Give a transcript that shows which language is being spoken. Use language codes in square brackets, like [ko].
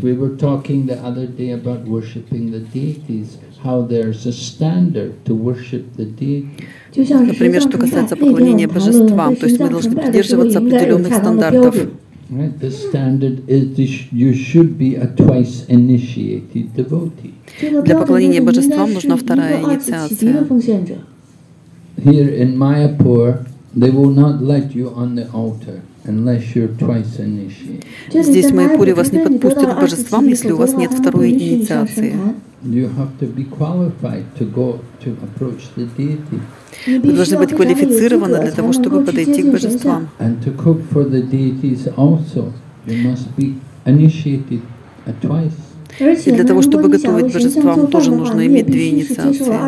[en] We were talking the other day about worshipping the deities, how there's a standard to worship the deities. [ru] Например, что касается поклонения божествам, то есть мы должны придерживаться определенных стандартов. [en] Right, the standard is you should be a twice initiated devotee. [ru] Для поклонения божествам нужна вторая инициация. [en] Here in Mayapur, they will not let you on the altar unless you're twice initiated. [ru] Здесь в Майпуре вас не подпустят к божествам, если у вас нет второй инициации. [en] You have to be qualified to go to approach the deity. [ru] Вы должны быть квалифицированы для того, чтобы подойти к божествам. [en] And to cook for the deities also, you must be initiated twice. [ru] И для того, чтобы готовить божествам, тоже нужно иметь две инициации.